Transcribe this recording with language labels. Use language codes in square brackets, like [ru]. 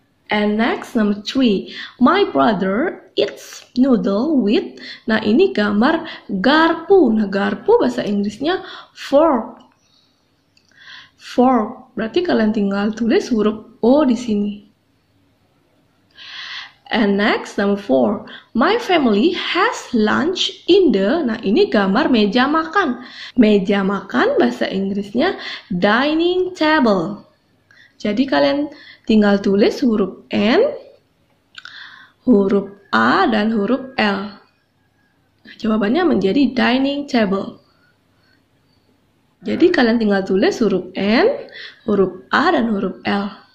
[en] And next, number 3, my brother eats noodle with. [id] Nah, ini gambar garpu. Nah, garpu bahasa Inggrisnya fork. Fork. Berarti kalian tinggal tulis huruf O di sini. [en] And next, number 4, my family has lunch in the. [id] Nah, ini gambar meja makan. Meja makan bahasa Inggrisnya dining table. Jadi kalian tinggal tulis huruf N, huruf A, dan huruf L. Nah, jawabannya menjadi dining table. Jadi kalian tinggal tulis huruf N, huruf A, dan huruf L.